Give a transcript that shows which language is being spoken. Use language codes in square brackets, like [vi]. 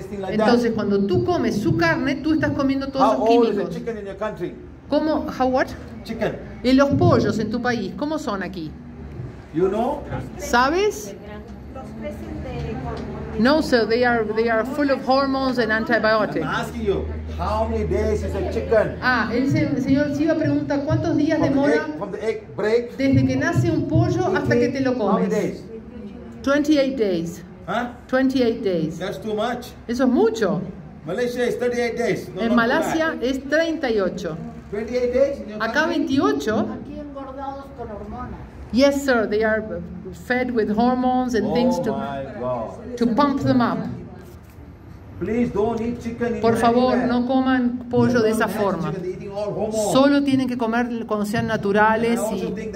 [es] Entonces, cuando tú comes su carne, tú estás comiendo todos esos químicos. [en] How old is the chicken in your country? [es] ¿Cómo? [en] How what? Chicken. [es] ¿Y los pollos en tu país? ¿Cómo son aquí? [en] You know? [es] ¿Sabes? [en] No, sir. They are full of hormones and antibiotics. I'm asking you, how many days is a chicken? [es] Ah, el señor Siva pregunta cuántos días demora desde que nace un pollo hasta que te lo comes. [en] How many days? 28 days. Huh? 28 days. That's too much. [es] Eso es mucho. [en] Malaysia is 38 days. [es] No, en Malasia es 38. 28 days. Acá 28. Aquí engordados con hormonas. [en] Yes, sir. They are fed with hormones and things to pump them up. Please don't eat chicken. [es] Por favor, no coman pollo de esa forma. Solo tienen que comer cuando sean naturales y.